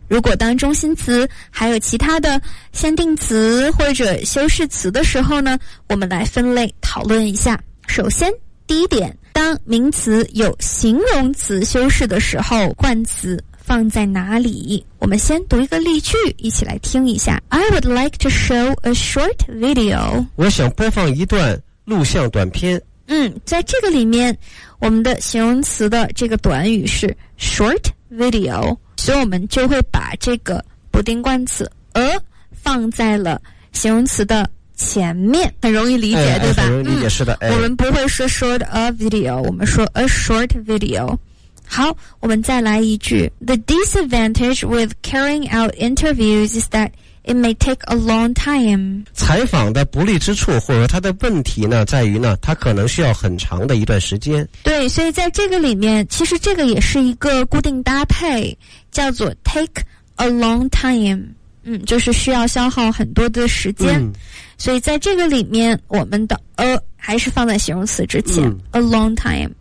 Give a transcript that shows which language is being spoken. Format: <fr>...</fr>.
<zh>如果当中心词还有其他的限定词或者修饰词的时候呢，我们来分类讨论一下。首先第一点，当名词有形容词修饰的时候，冠词放在哪里？我们先读一个例句，一起来听一下。</zh> <en>I would like to show a short video.</en> <zh>我想播放一段录像短片。在这个里面我们的形容词的这个短语是</zh> <en>short video，</en> <zh>所以我们就会把这个不定冠词放在了形容词的前面，很容易理解、对吧？很容易理解，是的、我们不会说</zh> <en>short a video，</en> <zh>我们说</zh> <en>a short video。</en> <zh>好，我们再来一句。</zh> <en>The disadvantage with carrying out interviews is that it may take a long time.</en> <zh>采访的不利之处或者它的问题呢在于呢它可能需要很长的一段时间。对，所以在这个里面其实这个也是一个固定搭配，叫做</zh> <en>take a long time。</en> <zh>就是需要消耗很多的时间、所以在这个里面我们的还是放在形容词之前、</zh> <en>a long time。</en>